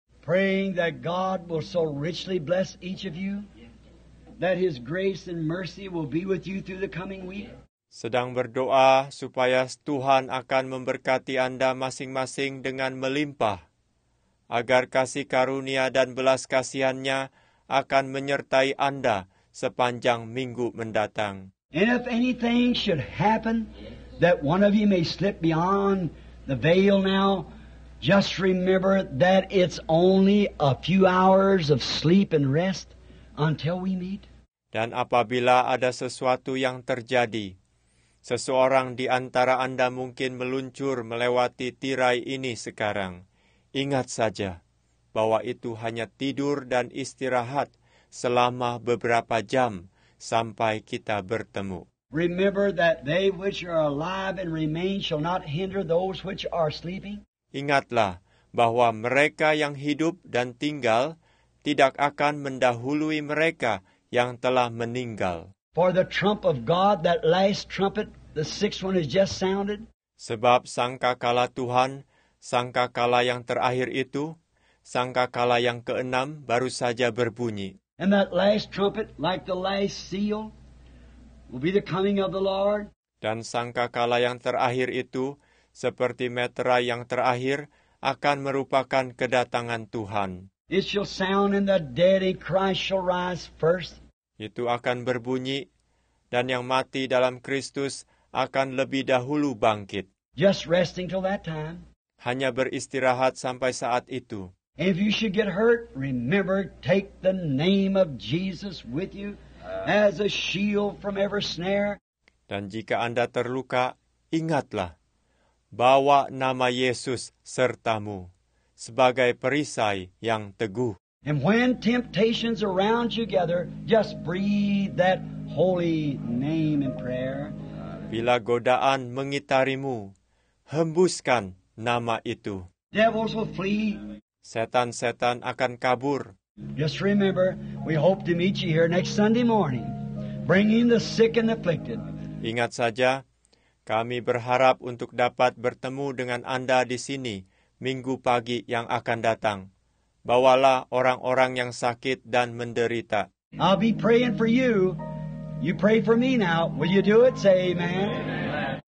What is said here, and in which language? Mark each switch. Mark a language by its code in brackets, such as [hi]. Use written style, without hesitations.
[en] Praying that God will so richly bless each of you, that His grace and mercy will be with you through the coming week. [id] Sedang berdoa supaya Tuhan akan memberkati Anda masing-masing dengan melimpah, agar kasih karunia dan belas kasihan-Nya akan menyertai Anda sepanjang minggu mendatang. [en] And if anything should happen that one of you may slip beyond the veil now, just remember that it's only a few hours of sleep and rest until we meet. [id] Dan apabila ada sesuatu yang terjadi, seseorang di antara Anda mungkin meluncur melewati tirai ini sekarang, ingat saja bahwa itu hanya tidur dan istirahat selama beberapa jam sampai kita bertemu. [en] Remember that they which are alive and remain shall not hinder those which are sleeping. [id] Ingatlah bahwa mereka yang hidup dan tinggal tidak akan mendahului mereka yang telah meninggal. [en] For the trump of God, that last trumpet, the sixth one, has just sounded. [id] Sebab sangkakala Tuhan, sangkakala yang terakhir itu, sangkakala yang keenam baru saja berbunyi. [en] And that last trumpet, like the last seal, will be the coming of the Lord. [id] Dan sangkakala yang terakhir itu, seperti meterai yang terakhir, akan merupakan kedatangan Tuhan. [en] It shall sound and the dead in Christ shall rise first. [id] Itu akan berbunyi, dan yang mati dalam Kristus akan lebih dahulu bangkit. [en] Just resting till that time. [id] Hanya beristirahat sampai saat itu. [en] If you should get hurt, remember, take the name of Jesus with you as a shield from every snare. [id] Dan jika Anda terluka, ingatlah, bawa nama Yesus sertamu sebagai perisai yang teguh. [en] And when temptations around you gather, just breathe that holy name in prayer. [id] Bila godaan mengitarimu, hembuskan nama itu. [en] Devils will flee. [id] Setan-setan akan kabur. [en] Just remember, we hope to meet you here next Sunday morning, bringing the sick and afflicted. [id] Ingat saja, kami berharap untuk dapat bertemu dengan Anda di sini minggu pagi yang akan datang. Bawalah orang-orang yang sakit dan menderita. [en] I'll be praying for you. You pray for me now. Will you do it? Say amen. Amen.